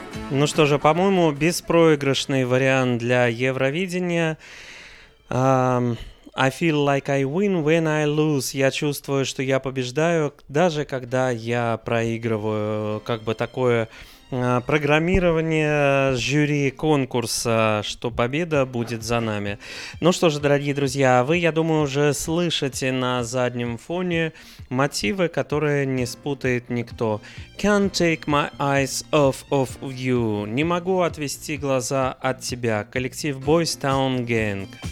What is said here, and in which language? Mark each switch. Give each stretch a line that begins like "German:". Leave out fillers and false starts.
Russian: Ну что же, по-моему, беспроигрышный вариант для Евровидения.
English: I feel like I win when I lose.
Russian: Я чувствую, что я побеждаю, даже когда я проигрываю. Как бы такое программирование жюри конкурса, что победа будет за нами. Ну что же, дорогие друзья, вы, я думаю, уже слышите на заднем фоне мотивы, которые не спутает никто.
English: Can't take my eyes off of you.
Russian: Не могу отвести глаза от тебя. Коллектив Boys Town Gang.